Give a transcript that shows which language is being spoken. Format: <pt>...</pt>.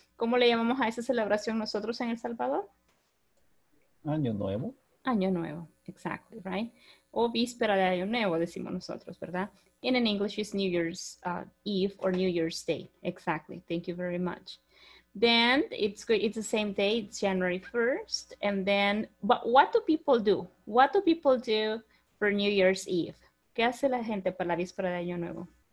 <es>¿Cómo le llamamos a esa celebración nosotros en El Salvador? Año Nuevo. Año Nuevo,</es> <en>exactly, right?</en> <es>O Víspera de Año Nuevo, decimos nosotros, ¿verdad?</es> <en>And in English, it's New Year's Eve or New Year's Day. Exactly, thank you very much. Then it's the same day, it's January 1st. And then, but what do people do? What do people do for New Year's Eve?</en> <es>¿Qué hace la gente para la víspera de Año Nuevo?</es>